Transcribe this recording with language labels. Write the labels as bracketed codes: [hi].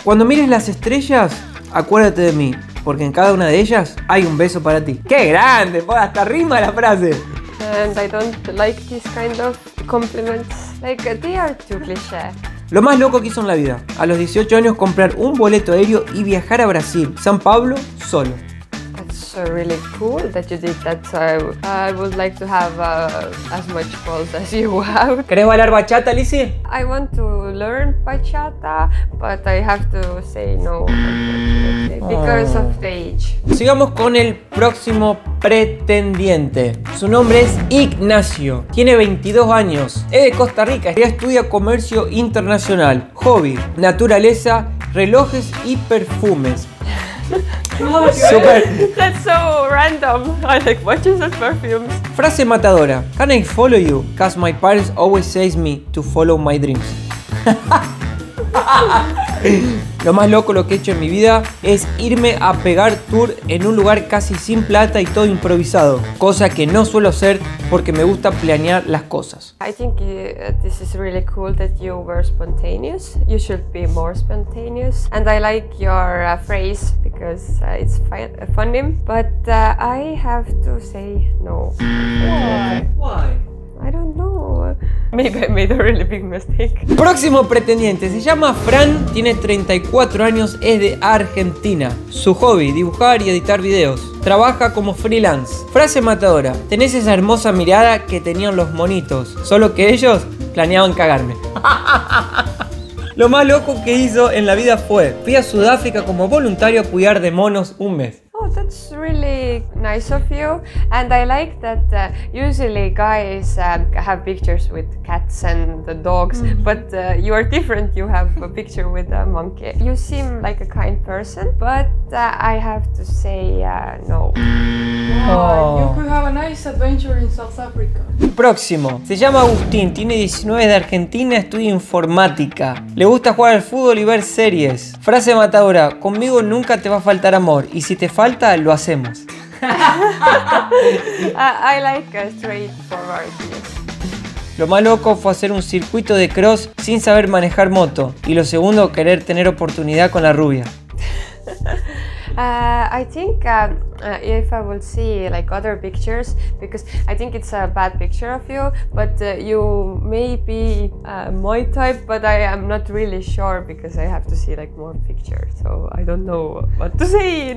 [es] Cuando mires las estrellas, acuérdate de mí, porque en cada una de ellas hay un beso para ti. ¡Qué grande! ¡Hasta rima la frase! [en] And I don't like this kind of compliments. Like, they are too cliché. [es] Lo más loco que hizo en la vida. A los 18 años comprar un boleto aéreo y viajar a Brasil, San Pablo, solo. [en] That's really cool that you did that. So I would like to have as much balls as you have. [es] ¿Querés bailar bachata, Lizzie? [en] I want to learn bachata, but I have to say no. Because of the age. [es] Sigamos con el próximo pretendiente. Su nombre es Ignacio. Tiene 22 años. Es de Costa Rica. Ya estudia comercio internacional. Hobby, naturaleza, relojes y perfumes. [en] Super. That's so random. I like watches and perfumes. [es] Frase matadora. [en] Can I follow you? Cause my parents always says me to follow my dreams. [es] Lo más loco lo que he hecho en mi vida es irme a pegar tour en un lugar casi sin plata y todo improvisado. Cosa que no suelo hacer porque me gusta planear las cosas. [en] I think this is really cool that you were spontaneous. You should be more spontaneous. And I like your phrase because it's funny. But I have to say no. Why? I don't know. Maybe I made a really big mistake. [es] Próximo pretendiente. Se llama Fran. Tiene 34 años. Es de Argentina. Su hobby, dibujar y editar videos. Trabaja como freelance. Frase matadora. Tenés esa hermosa mirada que tenían los monitos. Solo que ellos planeaban cagarme. Lo más loco que hizo en la vida fue: fui a Sudáfrica como voluntario a cuidar de monos un mes. [en] Oh, that's really nice of you, and I like that usually guys have pictures with cats and the dogs, mm-hmm. but you are different, you have a picture with a monkey. You seem like a kind person, but I have to say no. You could have a nice adventure in South Africa. [es] Próximo. Se llama Agustín, tiene 19, de Argentina, estudia informática. Le gusta jugar al fútbol y ver series. Frase matadora, conmigo nunca te va a faltar amor y si te falta, lo hacemos. [en] I like a straightforward. [es] Lo más loco fue hacer un circuito de cross sin saber manejar moto y lo segundo, querer tener oportunidad con la rubia. [en] I think if I will see like other pictures, because I think it's a bad picture of you, but you may be my type, but I am not really sure because I have to see like more pictures, so I don't know what to say.